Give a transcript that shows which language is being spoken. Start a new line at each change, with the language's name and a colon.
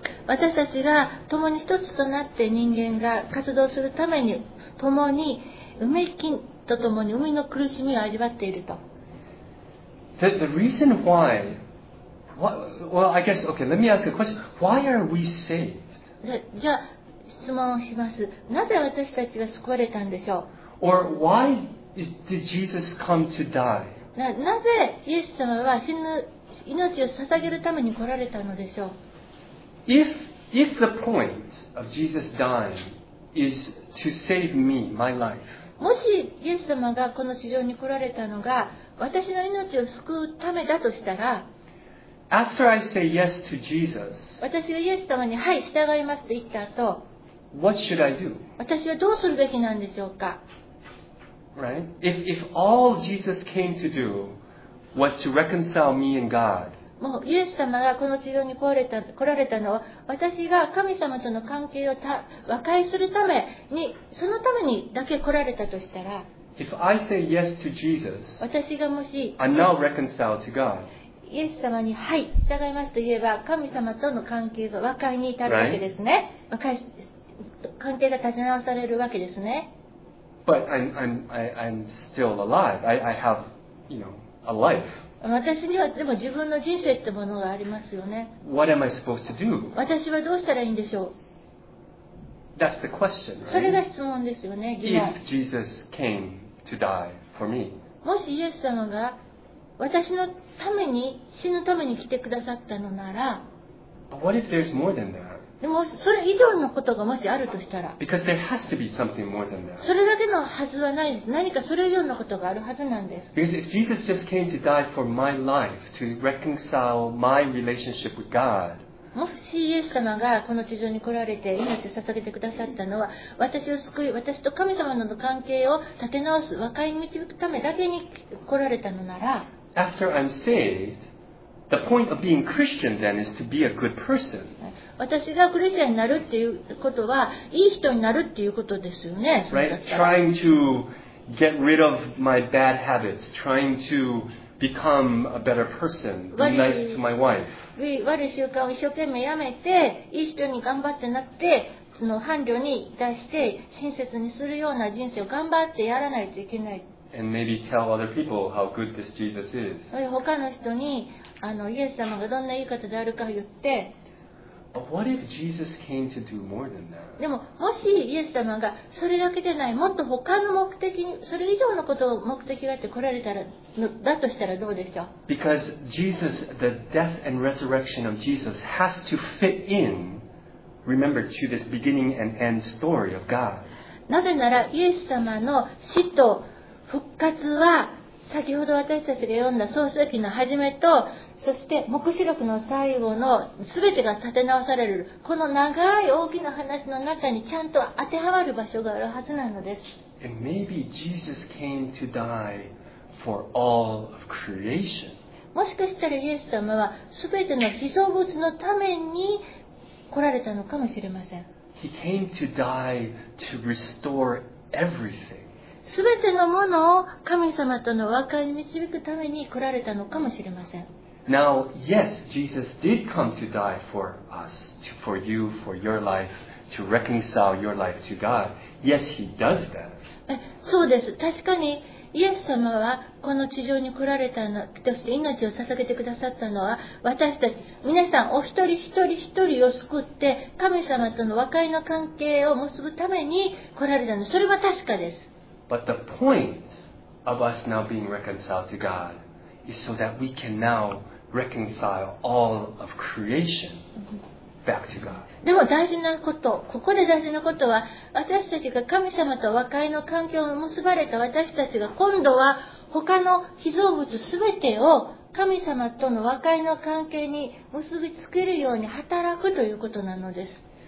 Japanese: 私たちが共に一つとなって人間が活動するために共にうめきとともに生みの苦しみを味わっていると。
English: The reason why, well, I guess, okay, let me ask a question. Why are we saved?
Japanese: じゃあ質問をします。なぜ私たちは救われたんでしょう。
English: Or why did Jesus come to die?
Japanese: なぜイエス様は命を捧げるために来られたのでしょう。
English: If the point of Jesus dying is to save me, my life.
Japanese: もしイエス様がこの地上に来られたのが私の命を救うためだとしたら。
English: After I say yes to Jesus,
Japanese: 私がイエス様にはい従いますと言った後、
English: What should I do?
Japanese: 私はどうするべきなんでしょうか?
English: Right? If all Jesus came to do was to reconcile me and God,
Japanese: もうイエス様がこの地上に来られたのは、私が神様との関係を和解するためにそのためにだけ来られたとしたら、
English: If I say yes to Jesus,
Japanese: 私がもし、
English: I'm now reconciled to God.
Japanese: イエス様にはい従いますと言えば神様との関係が和解に至るわけですね、
English: right?
Japanese: 関係が立て直されるわけですね。
English: But I'm still alive. I have, you know, a life.
Japanese: 私にはでも自分の人生ってものがありますよね。
English: What am I supposed to do?
Japanese: 私はどうしたらいいんでしょう。
English: That's the question, right?
Japanese: それが質問ですよね。
English: If Jesus came to die for me.
Japanese: もしイエス様が私のために死ぬために来てくださったのなら、
English: What if there's more than that?
Japanese: でもそれ以上のことがもしあるとしたら、
English: Because there has to be something more than that.
Japanese: それだけのはずはないです。何かそれ以上のことがあるはずなんです。
English: Because if Jesus just came to die for my life, to reconcile my relationship with God,
Japanese: もしイエス様がこの地上に来られて命を捧げてくださったのは、私を救い、私と神様の関係を立て直す、和解に導くためだけに来られたのなら、
English: After I'm saved, the point of being Christian then is to be a good person.
Japanese: 私がクリスチャンになるっていうことは、いい人になるっていうことですよね。
English: Right? Trying to get rid of my bad habits, trying to become a better person, be nice to my wife.
Japanese: 悪い習慣を一生懸命やめて、いい人に頑張ってなって、その伴侶に出して親切にするような人生を頑張ってやらないといけない。
English: And maybe tell other people how good this Jesus is.
Japanese: 他の人にイエス様がどんないい方であるか言って。
English: But what if Jesus came to do more than that?
Japanese: でももしイエス様がそれだけでないもっと他の目的にそれ以上のことを目的があって来られたらだとしたらどうでしょう?
English: Because Jesus, the death and resurrection of Jesus has to fit in, remember, to this beginning and end story of God.
Japanese: なぜならイエス様の死と復活は先ほど私たちが読んだ創世記の始めとそして黙示録の最後の全てが立て直されるこの長い大きな話の中にちゃんと当てはまる場所があるはずなのです。
English: And maybe Jesus came to die for all of creation.
Japanese: もしかしたらイエス様は全ての被造物のために来られたのかもしれません。
English: He came to die to restore everything.
Japanese: すべてのものを神様との和解に導くために来られたのかもしれません。
English: Now, yes, Jesus did come to die for us, for you, for your life, to reconcile your life to God. Yes, he does that.
Japanese: そうです。確かにイエス様はこの地上に来られたのとして命を捧げてくださったのは私たち皆さんお一人一人一人を救って神様との和解の関係を結ぶために来られたの。それは確かです。
English: But the point of us now being reconciled to God is so that we can now reconcile all of creation back to God.
Japanese: でも大事なこと、ここで大事なことは、私たちが神様と和解の関係を結ばれた私たちが今度は他の被造物すべてを神様との和解の関係に結びつけるように働くということなのです。